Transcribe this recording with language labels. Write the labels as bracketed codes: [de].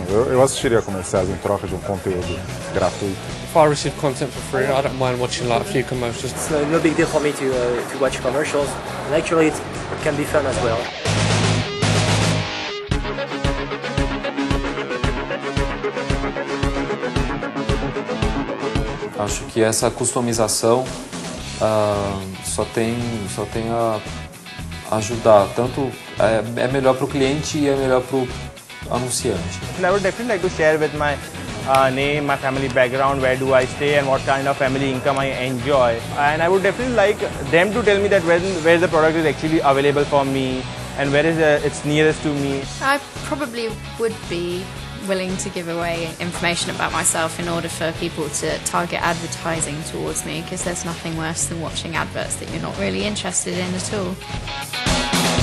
[pt] Eu assistiria a comerciais em troca de conteúdo gratuito. [en] If I receive content for free, I don't mind watching like a few commercials. It's no big deal for me to watch commercials, and actually it can be fun as well. [pt] Acho que essa customização só tem a ajudar tanto é melhor para o cliente e é melhor para o anunciante. [en] I would definitely like to share with my name, my family background, where do I stay and what kind of family income I enjoy. And I would definitely like them to tell me that where the product is actually available for me and where is it's nearest to me. I probably would be willing to give away information about myself in order for people to target advertising towards me, because there's nothing worse than watching adverts that you're not really interested in at all.